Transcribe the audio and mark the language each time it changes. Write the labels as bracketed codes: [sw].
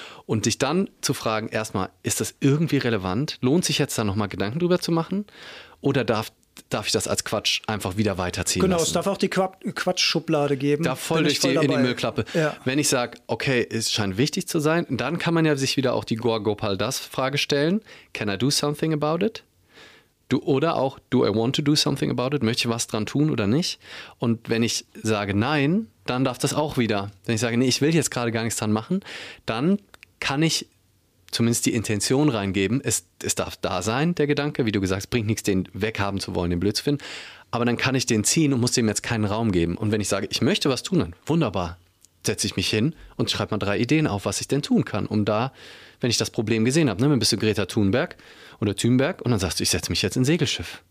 [de] Und dich dann zu fragen, erstmal, ist das irgendwie relevant? Lohnt sich jetzt da nochmal Gedanken drüber zu machen? Oder darf ich das als Quatsch einfach wieder weiterziehen? Genau, lassen? Es darf auch die Quatschschublade geben. Da voll durch die, voll in die Müllklappe. Ja. Wenn ich sage, okay, es scheint wichtig zu sein, dann kann man ja sich wieder auch die Gaur Gopal Das-Frage stellen. [en] Can I do something about it? [de] Oder auch, [en] do I want to do something about it? [de] Möchte ich was dran tun oder nicht? Und wenn ich sage nein, dann darf das auch wieder. Wenn ich sage, nee, ich will jetzt gerade gar nichts dran machen, dann kann ich zumindest die Intention reingeben. Es darf da sein, der Gedanke, wie du gesagt hast, bringt nichts, den weghaben zu wollen, den blöd zu finden. Aber dann kann ich den ziehen und muss dem jetzt keinen Raum geben. Und wenn ich sage, ich möchte was tun, dann wunderbar, setze ich mich hin und schreibe mal drei Ideen auf, was ich denn tun kann, um da, wenn ich das Problem gesehen habe, ne, dann bist du Greta Thunberg oder Thunberg und dann sagst du, ich setze mich jetzt ins Segelschiff.